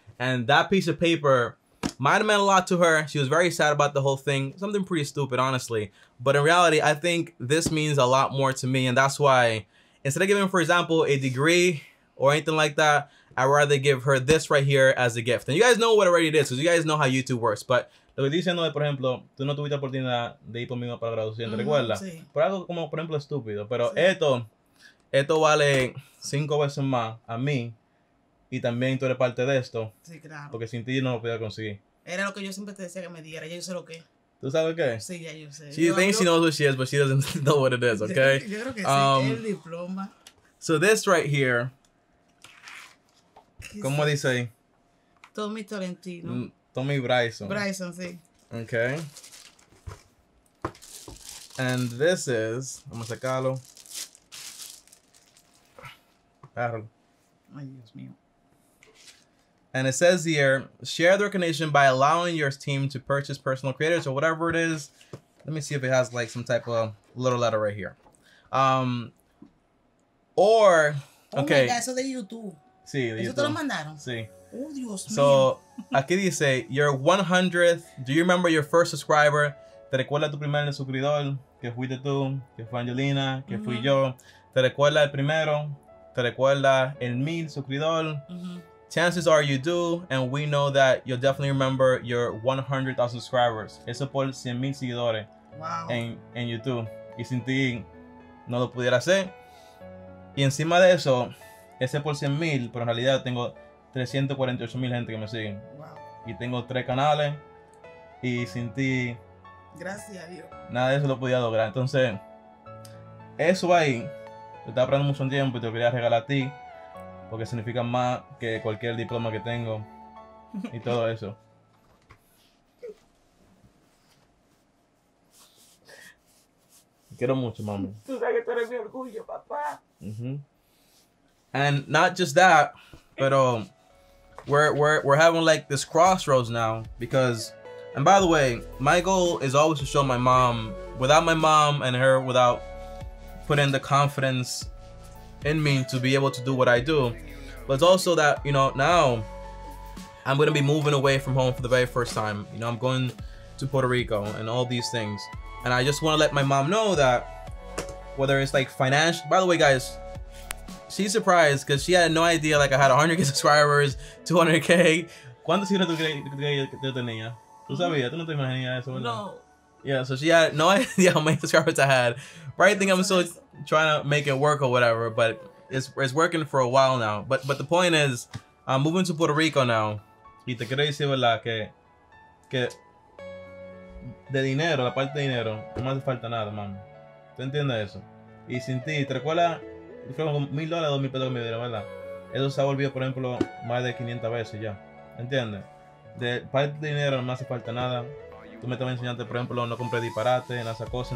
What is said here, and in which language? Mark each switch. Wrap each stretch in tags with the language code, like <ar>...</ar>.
<en>And that piece of paper might have meant a lot to her. She was very sad about the whole thing. Something pretty stupid, honestly. But in reality, I think this means a lot more to me. And that's why, instead of giving, for example, a degree or anything like that, I'd rather give her this right here as a gift. And you guys know what already it is, because you guys know how YouTube works. But</en> <es>lo que estoy diciendo es, por ejemplo, tú no tuviste oportunidad de ir conmigo para graduación, ¿te recuerdas? Sí. Por algo como, por ejemplo, estúpido. Pero sí. esto vale 5 veces más a mí. Y también tú eres parte de esto. Sí, claro. Porque sin ti no lo podía conseguir. Era lo que yo siempre te decía que me diera. Ya yo sé lo que. ¿Tú sabes qué? Sí, ya yo sé.</es> <en>She knows what she is, but she doesn't know what it is, okay?</en> <es>Yo creo que sí, el diploma.</es> <en>So this right here.</en> <es>¿Cómo dice ahí? Tommy Tolentino. TommyBryson. Bryson, sí.</es> <en>Okay. And this is...</en> <es>Vamos a sacarlo. Agárralo. Ay, Dios mío.</es> <en>And it says here, share the recognition by allowing your team to purchase personal creators or whatever it is. Let me see if it has like some type of little letter right here. Or... Okay. Oh my God,</en> <es>eso de YouTube. Sí, eso te lo mandaron. Sí. Oh, Dios</es> <en>so,</en> <es>mío. Aquí dice,</es> <en>your 100th, do you remember your first subscriber?</en> <es>¿Te recuerdas tu primer suscriptor? Que fuiste tú, que fue Angelina, que fui yo. ¿Te recuerdas el primero? ¿Te recuerdas el 1,000 suscriptor?</es> <en>Chances are you do, and we know that you'll definitely remember your 100th of subscribers.</en> <es>Eso por 100,000 seguidores. Wow. En YouTube. Y sin ti, no lo pudiera hacer. Y encima de eso, ese por 100,000, pero en realidad tengo 348,000 gente que me siguen. Wow. Y tengo 3 canales. Y sin ti, gracias a Dios, nada de eso lo podía lograr. Entonces, eso ahí, te estaba esperando mucho tiempo y te lo quería regalar a ti, porque significa más que cualquier diploma que tengo y todo eso. Quiero mucho, mami. Tú sabes que tú eres mi orgullo, papá. Mm-hmm.</es> <en>And not just that,</en> <es>pero</es> <en>we're having like this crossroads now, because, and by the way, my goal is always to show my mom, without my mom and her, without putting the confidence in me to be able to do what I do. But it's also that, you know, now I'm gonna be moving away from home for the very first time. You know, I'm going to Puerto Rico and all these things. And I just wanna let my mom know that, whether it's like financial, by the way, guys, she's surprised because she had no idea, like I had 100K subscribers, 200K.</en> <es>¿Cuántos hijos tú crees que yo tenía? Tú sabías, tú no te imaginas eso, ¿verdad? No.</es> <en>Yeah, so she had no idea how many subscribers I had. Right, I think I'm still trying to make it work or whatever, but it's working for a while now. But the point is, I'm moving to Puerto Rico now.</en> <es>Y te quiero decir, ¿verdad? Que de dinero, la parte de dinero, no me hace falta nada, mami. ¿Tú entiendes eso? Y sin ti, ¿te recuerdas? Fueron $1,000, $2,000 que me dieron, ¿verdad? Eso se ha volvido, por ejemplo, más de 500 veces ya. ¿Entiendes? De parte de dinero no me hace falta nada. Tú me estabas enseñando, por ejemplo, no compré disparate en esa cosa.</es>